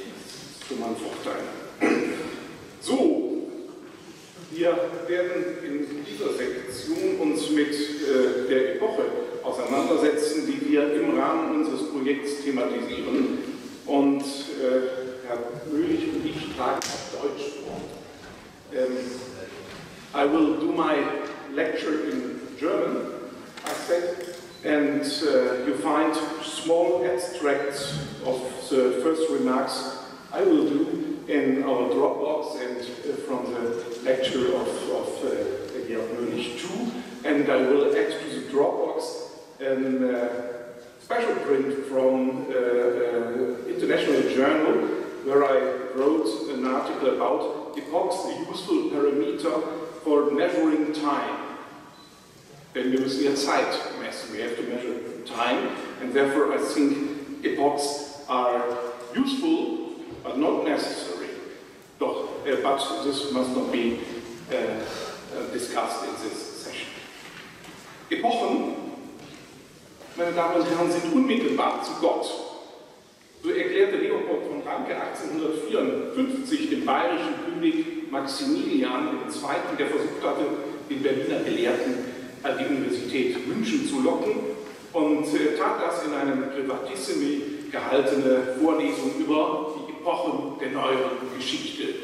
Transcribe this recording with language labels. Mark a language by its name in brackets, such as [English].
[German] Das ist schon mal ein Vorteil. So, wir werden in dieser Sektion uns mit der Epoche auseinandersetzen, die wir im Rahmen unseres Projekts thematisieren. Und Herr Möhlich und ich tragen auf Deutsch vor. [English] I will do my lecture in German, I said, and you find small extracts of the first remarks I will do in our Dropbox and from the lecture of Georg Möhlich II. And I will add to the Dropbox an special print from international journal where I wrote an article about epochs, a useful parameter for measuring time. [German] Wenn wir müssen ja Zeit messen, [English] we have to measure time, and therefore I think epochs are useful, but not necessary. Doch, but this must not be discussed in this session. [German] Epochen, meine Damen und Herren, sind unmittelbar zu Gott. So erklärte Leopold von Ranke 1854 dem bayerischen König Maximilian II., der versucht hatte, den Berliner Gelehrten an die Universität München zu locken, und tat das in einem privatissimi gehaltene Vorlesung über die Epochen der neueren Geschichte.